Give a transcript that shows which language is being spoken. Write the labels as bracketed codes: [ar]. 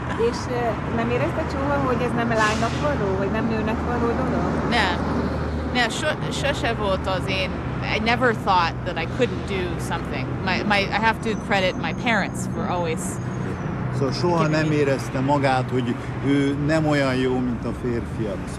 [hu] És nem érezted, Csóha, hogy ez nem lánynak való, vagy nem nőnek való dolog? Nem. Yeah, sose volt az én. [en] I never thought that I couldn't do something. I have to credit my parents for always. [hu] So soha nem érezte magát, hogy ő nem olyan jó, mint a férfiak.